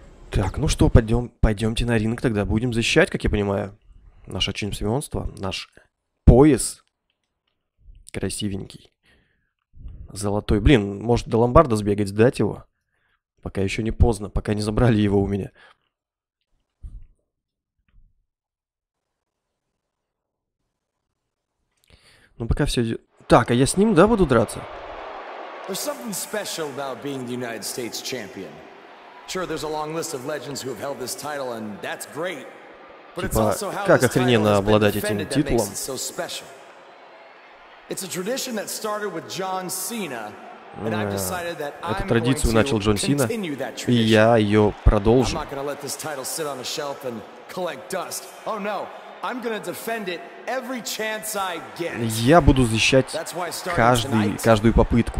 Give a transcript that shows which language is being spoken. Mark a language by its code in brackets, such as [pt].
[ru] Так, ну что, пойдемте на ринг тогда. Будем защищать, как я понимаю, наше чемпионство, наш пояс. Красивенький. Золотой. Блин, может до ломбарда сбегать, сдать его? Пока еще не поздно, пока не забрали его у меня. Ну пока все... Так, а я с ним, да, буду драться? [en] There's something special about being the United States champion. Sure, there's a long list of legends who have held this title, and that's great. But it's also how [ru] как охрененно обладать этим титулом. [en] It's a tradition that started with John Cena, and I've decided that I'm going to continue that tradition. [ru] И я ее продолжу. [en] I'm not going to let this title sit on a shelf and collect dust. Oh no, I'm going to defend it every chance I get. [ru] Я буду защищать каждую попытку.